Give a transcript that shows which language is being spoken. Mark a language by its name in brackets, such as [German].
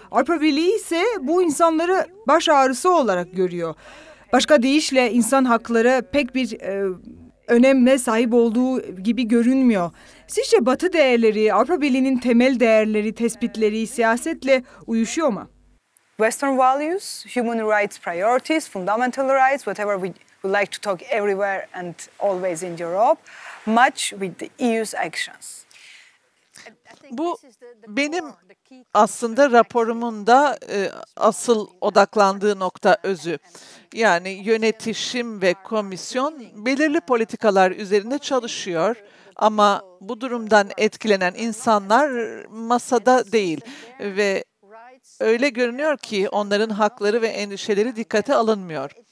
[Turkish] Avrupa Birliği ise bu insanları baş ağrısı olarak görüyor. Başka deyişle insan hakları pek bir önemine sahip olduğu gibi görünmüyor. Sizce Batı değerleri, Avrupa Birliği'nin temel değerleri, tespitleri siyasetle uyuşuyor mu? [English] Western values, human rights priorities, fundamental rights, whatever we like to talk everywhere and always in Europe, match with the EU's actions. [Turkish] Bu benim aslında raporumun da asıl odaklandığı nokta, özü. Yani yönetişim ve komisyon belirli politikalar üzerinde çalışıyor ama bu durumdan etkilenen insanlar masada değil ve öyle görünüyor ki onların hakları ve endişeleri dikkate alınmıyor.